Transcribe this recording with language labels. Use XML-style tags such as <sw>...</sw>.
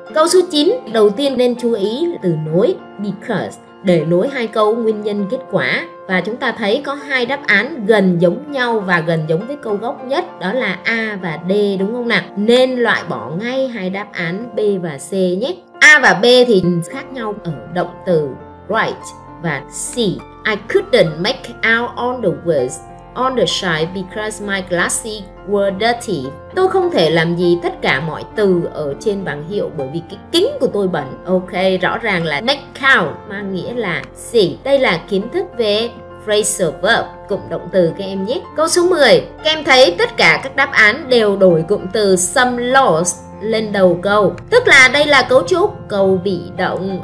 <vi>Câu số 9, đầu tiên nên chú ý từ nối because để nối hai câu nguyên nhân kết quả. Và chúng ta thấy có hai đáp án gần giống nhau và gần giống với câu gốc nhất, đó là A và D, đúng không nào? Nên loại bỏ ngay hai đáp án B và C nhé. A và B thì khác nhau ở động từ write và see.</vi> <en>I couldn't make out all the words on the side because my glasses were dirty.</en> <vi>Tôi không thể làm gì tất cả mọi từ ở trên bảng hiệu bởi vì cái kính của tôi bẩn. Ok, rõ ràng là make out mang nghĩa là see. Đây là kiến thức về phrasal verb, cụm động từ các em nhé. Câu số 10, các em thấy tất cả các đáp án đều đổi cụm từ some loss lên đầu câu, tức là đây là cấu trúc câu bị động.</vi>